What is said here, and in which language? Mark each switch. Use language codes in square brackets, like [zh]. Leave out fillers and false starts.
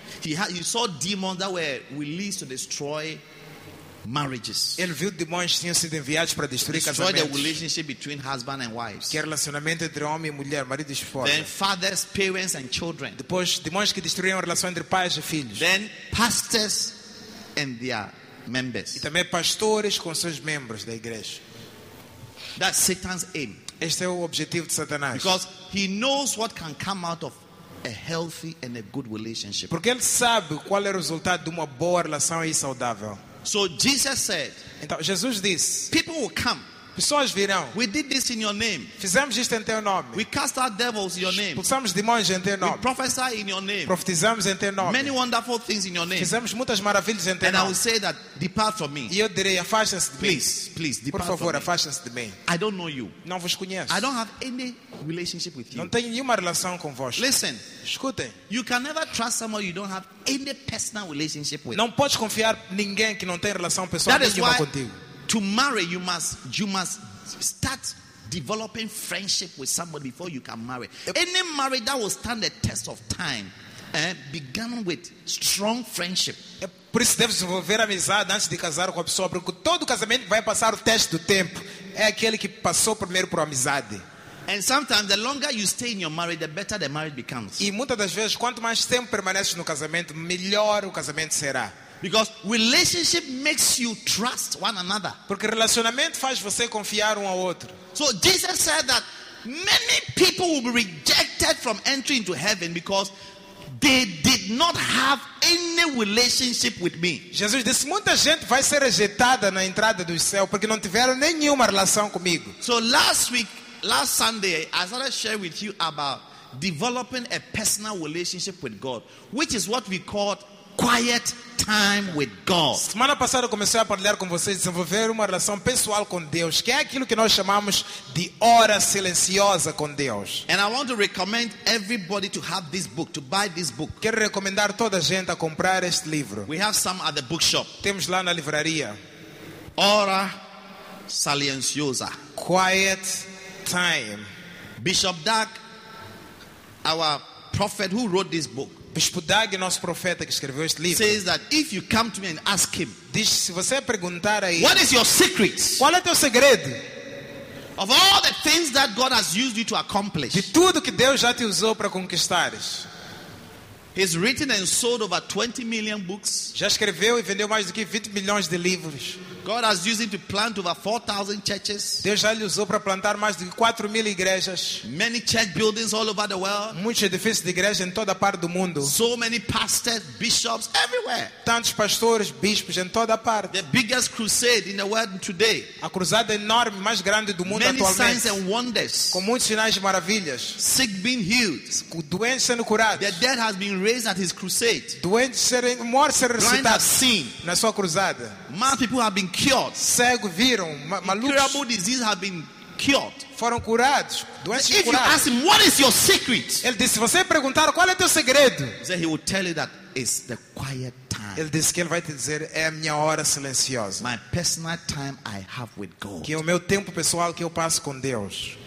[en] He saw demons that were released to destroy marriages. [pt] Ele viu demônios que tinham sido enviados para destruir casamentos. [en] Destroy the relationship between husband and wife. [pt] Que é relacionamento entre homem e mulher, marido e esposa. [en] Then fathers, parents and children. [pt] Depois demônios que destruíam a relação entre pais e filhos. [en] Then pastors and their members. [pt] E também pastores com seus membros da igreja. [en] That's Satan's aim. [pt] Este é o objetivo de Satanás. [en] Because he knows what can come out of a healthy and a good relationship. [pt] Porque ele sabe qual é o resultado de uma boa relação e saudável. [en] So Jesus said. [pt] Então Jesus disse. [en] People will come. [pt] Pessoas virão. [en] We did this in your name. [pt] Fizemos isto em teu nome. [en] We cast out devils in your name. [pt] Expulsamos demônios em teu nome. [en] We prophesy in your name. [pt] Profetizamos em teu nome. [en] Many wonderful things in your name. [pt] Fizemos muitas maravilhas em teu [en] and [pt] nome. [en] And I will say that depart from me. [pt] E eu direi afasta-se de [en] please, [pt] mim. [en] Please, depart [pt] por favor, [en] from me. [pt] Afasta-se de mim. [en] I don't know you. [pt] Não vos conheço. [en] I don't have any relationship with you. [pt] Não tenho nenhuma relação convosco. [en] Listen. [pt] Escutem. [en] You can never trust someone you don't have any personal relationship with. [pt] Não podes confiar ninguém que não tem relação pessoal nenhuma contigo. [en] To marry, you must start developing friendship with somebody before you can marry. Any marriage that will stand the test of time began with strong friendship. [pt] É por isso que deve desenvolver amizade antes de casar com a pessoa, porque todo casamento vai passar o teste do tempo. É aquele que passou primeiro por amizade. [en] And sometimes the longer you stay in your marriage, the better the marriage becomes. [pt] E muitas das vezes, quanto mais tempo permaneces no casamento, melhor o casamento será. [en] Because relationship makes you trust one another. [pt] Porque relacionamento faz você confiar ao outro. [en] So Jesus said that many people will be rejected from entering into heaven because they did not have any relationship with me. [pt] Jesus disse, muita gente vai ser rejeitada na entrada do céu porque não tiveram nenhuma relação comigo. [en] So last week, last Sunday, I started sharing with you about developing a personal relationship with God, which is what we call quiet time with God. [pt] Semana passada eu comecei a falar com vocês, desenvolver uma relação pessoal com Deus, que é aquilo que nós chamamos de hora silenciosa com Deus. [en] And I want to recommend everybody to have this book, to buy this book. [pt] Quero recomendar toda a gente a comprar este livro. [en] We have some at the bookshop. [pt] Temos lá na livraria. Hora silenciosa. [en] Quiet time. Bishop Doug, our prophet who wrote this book. [pt] Bispo Doug, nosso profeta que escreveu este livro. [en] Says that if you come to me and ask him, [pt] diz, se você perguntar a ele, [en] what is your secret? [pt] Qual é teu segredo? [en] Of all the things that God has used you to accomplish. [pt] De tudo que Deus já te usou para conquistares. [en] He's written and sold over 20 million books. [pt] Já escreveu e vendeu mais do que 20 milhões de livros. [en] God has used him to plant over 4,000 churches. [pt] Deus já lhe usou para plantar mais de 4,000 igrejas. [en] Many church buildings all over the world. [pt] Muitos edifícios de igreja em toda a parte do mundo. [en] So many pastors, bishops, everywhere. [pt] Tantos pastores, bispos em toda a parte. [en] The biggest crusade in the world today. [pt] A cruzada enorme, mais grande do mundo [en] many [pt] atualmente. [en] Many signs and wonders. [pt] Com muitos sinais e maravilhas. [en] Sick being healed. [pt] Doentes sendo curados. [en] The dead has been raised at his crusade. [pt] Doentes serem mortos serem ressuscitados. [en] Seen. [pt] Na sua cruzada. [en] Mad people have been cured. [pt] Cego viram. [en] Incurable diseases have been cured. [pt] Foram curados. Doenças [en] if [pt] curadas. [en] You ask him, what is your secret? [pt] Ele disse, se você perguntar, qual é teu segredo? [en] He will tell you that it's the quiet time. [pt] Ele disse que ele vai te dizer, é a minha hora silenciosa. [en] My personal time I have with God. [pt] Que é o meu tempo pessoal que eu passo com Deus.